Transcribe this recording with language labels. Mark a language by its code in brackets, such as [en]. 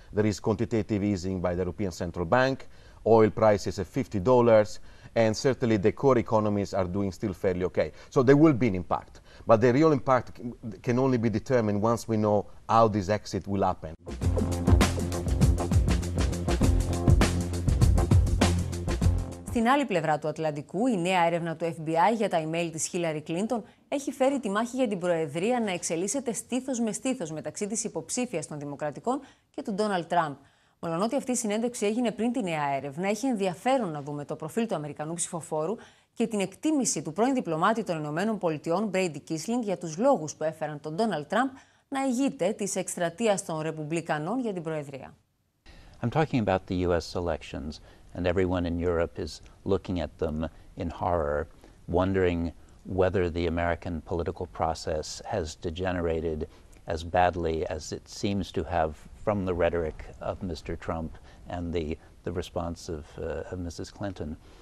[en] There is quantitative easing by the European Central Bank, oil prices at $50, and certainly the core economies are doing still fairly okay. So there will be an impact. But the real impact can only be determined once we know how this exit will happen. [el] Στην άλλη πλευρά του Ατλαντικού, η νέα έρευνα του FBI για τα email της Χίλαρη Κλίντον έχει φέρει τη μάχη για την Προεδρία να εξελίσσεται στήθος με στήθος μεταξύ της υποψήφιας των Δημοκρατικών και του Ντόναλντ Τραμπ. Μολονότι αυτή η συνέντευξη έγινε πριν τη νέα έρευνα, έχει ενδιαφέρον να δούμε το προφίλ του Αμερικανού ψηφοφόρου και την εκτίμηση του πρώην διπλωμάτη των Ηνωμένων Πολιτειών, Brady Kiesling, για τους λόγους που έφεραν τον Ντόναλντ Τραμπ να ηγείται της εκστρατείας των Ρεπουμπλικανών για την Προεδρία. [en] I'm talking about the US elections. And everyone in Europe is looking at them in horror, wondering whether the American political process has degenerated as badly as it seems to have from the rhetoric of Mr. Trump and the response of Mrs. Clinton.